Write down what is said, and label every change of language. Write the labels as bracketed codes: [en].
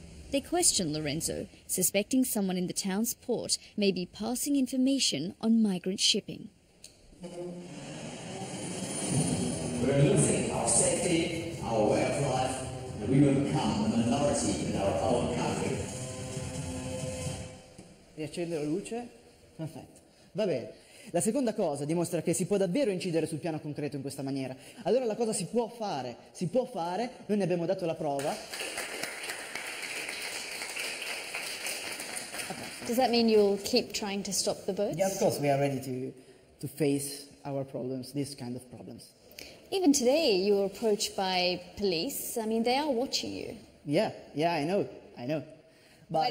[en] They question Lorenzo, suspecting someone in the town's port may be passing information on migrant shipping. We're losing our safety, our way of life, and we will become a minority in our own country. [it] Riaccendere la luce? Perfetto. Va bene. La seconda cosa dimostra che si può davvero incidere sul piano concreto in questa maniera. Allora la cosa si può fare, noi ne abbiamo dato la prova. [en] Does that mean you'll keep trying to stop the boats? Yeah, of course, we are ready to face our problems, this kind of problems. Even today, you were approached by police. I mean, they are watching you. Yeah, I know. But